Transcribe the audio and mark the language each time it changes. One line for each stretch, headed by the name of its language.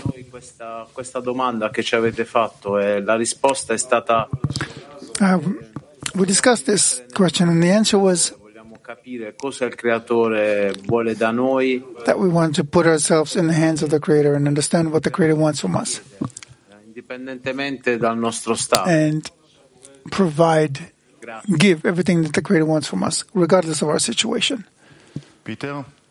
Italian: Questa domanda che ci avete fatto e la risposta è stata.
English: We discussed this question and the answer was.
Italian: Vogliamo capire cosa il Creatore vuole da noi.
English: That we want to put ourselves in the hands of the Creator and understand what the Creator wants from us.
Italian: Indipendentemente dal nostro stato.
English: And provide. Give everything that the Creator wants from us, regardless of our situation. Peter?